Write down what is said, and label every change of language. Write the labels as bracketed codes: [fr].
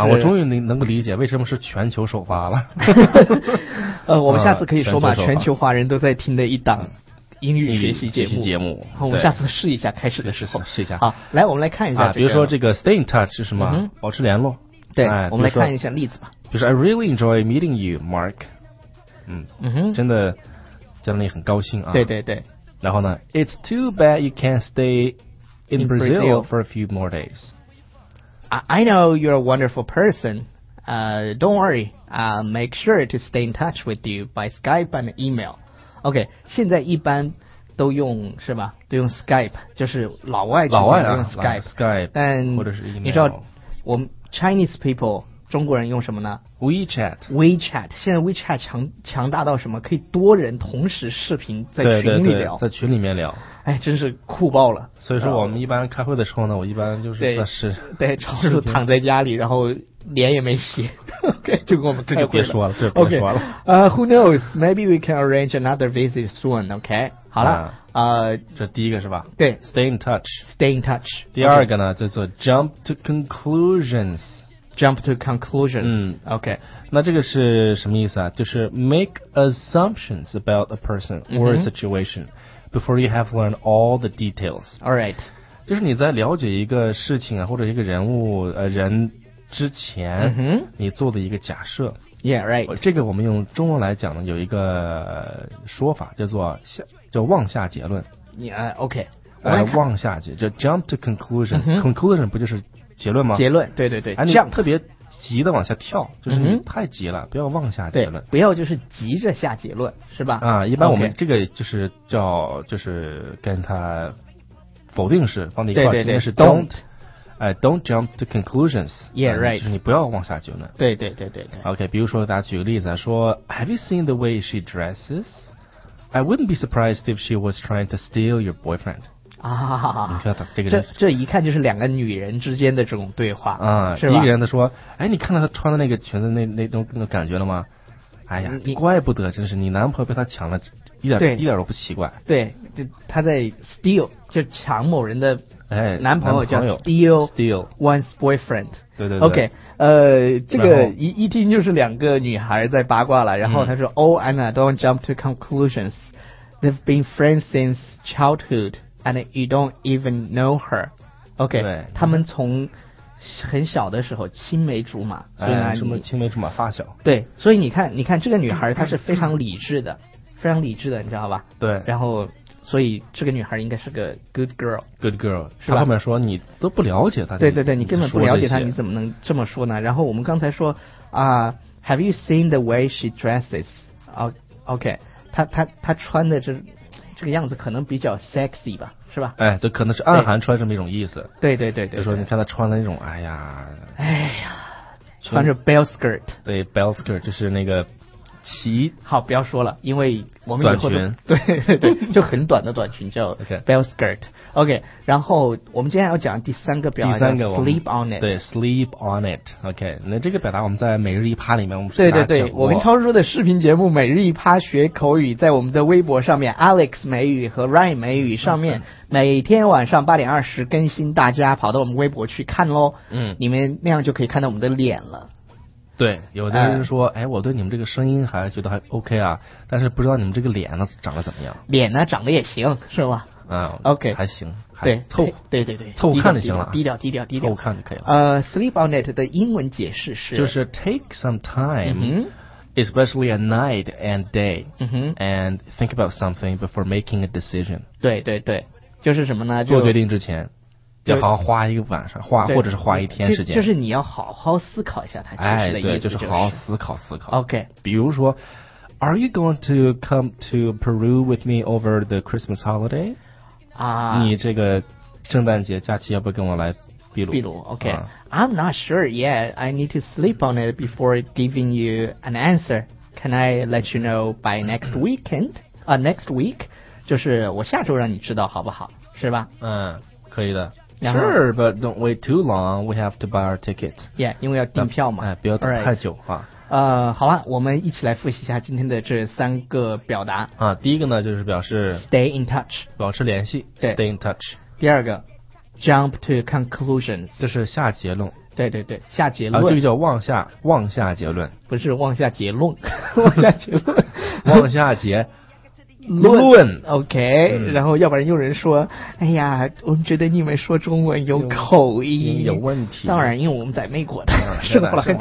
[zh] 啊，我终于能够理解为什么是全球首发了。我们下次可以说吧，全球华人都在听的一档英语学习节目。好，我们下次试一下，开始的时候试一下。好，来，我们来看一下、比如说这个 [en] stay in touch [zh] 是什么？保持联络。对、哎，我们来看一下例子吧。 [en] 就是 I really enjoy meeting you, Mark。 [zh] 真的见到你很高兴啊。对对对。然后呢 [en] ？It's too bad you can't stay。 In Brazil for a few more days. I know you're a wonderful person. Don't worry. Make sure to stay in touch with you by Skype and email. [zh] OK, 现在一般都用是吧？都用 Skype， 就是老外老外用 Skype。 Skype，但或者是 email。你知道，我们 [en] Chinese people [zh] 中国人用什么呢？WeChat。 WeChat 现在 WeChat 强大到什么？可以多人同时视频在群里聊，在群里面聊。哎，真是酷爆了！所以说我们一般开会的时候呢，我一般就是算是对，超叔躺在家里，然后脸也没洗，就跟我们这就别说了，这就别说了。 [en] Who knows? Maybe we can arrange another visit soon. [zh] OK， 好了，这第一个是吧？对 [en] ，stay in touch。 Stay in touch。 [zh] 第二个呢，叫做 [en] jump to conclusions。 Jump to conclusions。 OK， [zh] 那这个是什么意思啊？就是 [en] make assumptions about a person or a situation。 Before you have learned all the details. All right. [zh] 就是你在了解一个事情啊，或者一个人物，人之前，你做的一个假设。 [en] Yeah, right. [zh] 这个我们用中文来讲呢，有一个说法叫做妄下结论。 [en] Yeah, OK. [zh] 妄下结论，就 [en] jump to conclusions. [zh] Conclusion 不就是结论吗？结论，对对对。你特别急的往下跳，就是你太急了，不要妄下结论，不要就是急着下结论，是吧？啊，一般我们这个就是叫就是跟他否定式放在一块儿，应该是 [en] don't jump to conclusions， yeah right， [zh] 就是你不要妄下结论，对对对对对。 [en] OK， [zh] 比如说大家举个例子啊，说 [en] Have you seen the way she dresses? I wouldn't be surprised if she was trying to steal your boyfriend。 [zh] 啊，你知道这个这一看就是两个女人之间的这种对话啊、是吧？第一个人他说，哎，你看到她穿的那个裙子那种感觉了吗？哎呀，怪不得，真是你男朋友被她抢了，一点都不奇怪。对，就他在 steal 就抢某人的男朋友，叫 [en] steal one's boyfriend。 [zh] 对对对。 OK， 这个一听就是两个女孩在八卦了。然后他说， [en] Oh Anna， don't jump to conclusions. They've been friends since childhood. And you don't even know her. [zh] OK， 他们从很小的时候青梅竹马，什么青梅竹马发小。对，所以你看这个女孩她是非常理智的，非常理智的，你知道吧？对。然后，所以这个女孩应该是个 good girl。 [en] Good girl， [zh] 是吧？她后面说你都不了解她。对对对，你根本不了解她，你怎么能这么说呢？然后我们刚才说啊， [en] Have you seen the way she dresses? OK， [zh] 他穿的这个样子可能比较 sexy 吧，是吧？哎，对，可能是暗含穿这么一种意思。对对对 对，就说你看他穿的那种，哎呀，哎呀，穿着 bell skirt。对 ，bell skirt 就是那个旗。好，不要说了，因为我们以后短裙，对对对，就很短的短裙叫 bell skirt。 OK， 然后我们接下来要讲第三个表达，第三个 [en] sleep on it。 [zh] 对 ， [en] sleep on it。 [zh] OK， 那这个表达我们在每日一趴里面，我们对对对，我跟超叔的视频节目《每日一趴学口语》在我们的微博上面 ，Alex 美语和 Ryan 美语上面，每天晚上8:20更新，大家跑到我们微博去看喽。嗯，你们那样就可以看到我们的脸了。对，有的人说，哎，我对你们这个声音还觉得还 OK 啊，但是不知道你们这个脸呢长得怎么样？脸呢长得也行，是吧？啊，OK，还行，对，凑，对对对，凑看就行了，低调低调低调，凑看就可以了。 [en] Sleep on it [zh] 的英文解释是， [en] 就是 take some time，嗯、 especially a night and day，、嗯、哼 and think about something before making a decision。 [zh] 对对对，就是什么呢？做决定之前。就好好花一个晚上，花或者是花一天时间，就是你要好好思考一下它其实的意思、就是。哎，对，就是好好思考思考。 OK， [en] 比如说 ，Are you going to come to Peru with me over the Christmas holiday？ [zh] 啊，你这个圣诞节假期要不要跟我来秘鲁？ [en] 秘鲁 ？OK，、I'm not sure yet. I need to sleep on it before giving you an answer. Can I let you know by next weekend？ [zh] 啊、 [en] next week， [zh] 就是我下周让你知道好不好？是吧？嗯，可以的。 [en] Sure, but don't wait too long. We have to buy our tickets. [zh] Yeah, 因为要订票嘛。哎，不要等太久哈。好了，我们一起来复习一下今天的这三个表达。啊，第一个呢，就是表示 [en] stay in touch， [zh] 保持联系。对 [en] ，stay in touch。 [zh] 第二个 ， [en] jump to conclusions， [zh] 这是下结论。对对对，下结论。啊，这个叫妄下结论，不是妄下结论，妄下结论，妄下结。论 OK、然后要不然有人说，哎呀，我觉得你们说中文有口音有问题，当然因为我们在美国的生活了